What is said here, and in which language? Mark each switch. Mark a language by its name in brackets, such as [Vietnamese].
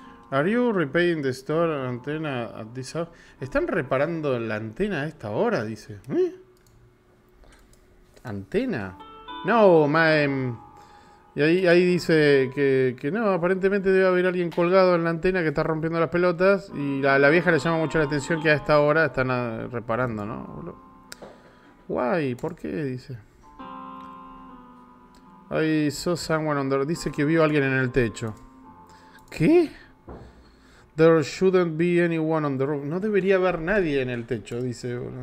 [English] Are you repairing the store antenna at this hour? [Spanish] ¿Están reparando la antena a esta hora? Dice. ¿Eh? ¿Antena? [English] No, ma'am. [Spanish] Y ahí dice que no, aparentemente debe haber alguien colgado en la antena que está rompiendo las pelotas. Y la vieja le llama mucho la atención que a esta hora están reparando, ¿no? Guay, ¿por qué? Dice. Ay, [English] so someone under. [Spanish] Dice que vio a alguien en el techo. ¿Qué? [English] There shouldn't be anyone on the roof. [Spanish] No debería haber nadie en el techo, dice.